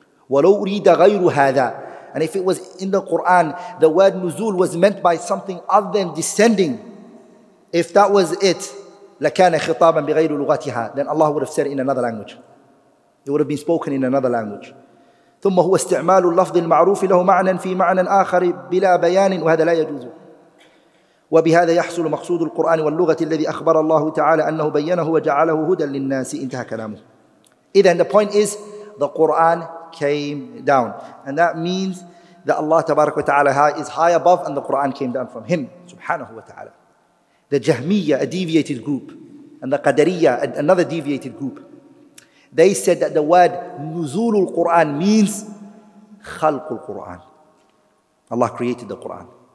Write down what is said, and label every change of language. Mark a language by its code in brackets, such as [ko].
[ar] وَلَوْ أُرِيدَ غَيْرُ هَذَا [en] And if it was in the Qur'an, the word nuzul was meant by something other than descending, if that was it, [ar] لَكَانَ خِطَابًا بِغَيْرُ لُغَتِهَا [en] Then Allah would have said it in another language. It would have been spoken in another language. [ar] ثُمَّ هُوَ اسْتِعْمَالُ اللَّفْظِ الْمَعْرُوفِ لَهُ مَعْنًا فِي مَعْنًا آخَرِ بِلَا بَيَانٍ وَهَذَا لَا يَجُوزُ وبهذا يحصل مقصود القرآن واللغة الذي أخبر الله تعالى أنه بينه وجعله هدى للناس انتهى كلامه. [en] إذن the point is the Quran came down and that means that Allah [ar] تبارك وتعالى [en] is high above and the Quran came down from Him [ar] سبحانه وتعالى. [en] The Jahmiyyah a deviated group and the Qadariyyah another deviated group. They said that the word [ar] نزول القرآن [en] means [ar] خلق القرآن. [en] Allah created the Quran.